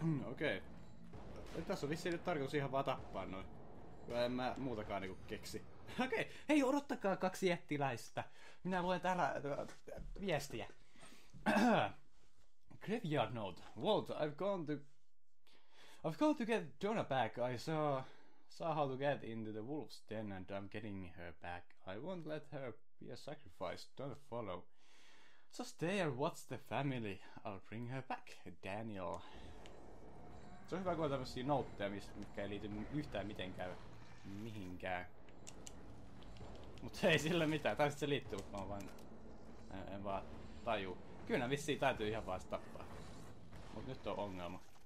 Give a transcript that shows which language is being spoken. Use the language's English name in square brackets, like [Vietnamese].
[Finnish] Okei. Okay. Tässä on vissiin nyt tarkoitus ihan vaan tappaa noin. En mä muutakaan niinku keksi. Okei, okay. Hei, odottakaa kaksi jättiläistä. Minä luen täällä viestiä. [English] Graveyard note. Walt, I've gone to get Donna back. I saw how to get into the wolf's den and I'm getting her back. I won't let her be a sacrifice. Don't follow. So stay and watch the family. I'll bring her back. Daniel. [Finnish] Se on hyvä, kun on tämmösiä noteja, mitkä ei liity yhtään mitenkään. Mihinkään. Mut ei sillä mitään, tai sit se liittyy, mut mä oon vaan... En vaan tajuu. Kyllä vissiin täytyy ihan vaan tappaa. Mut nyt on ongelma.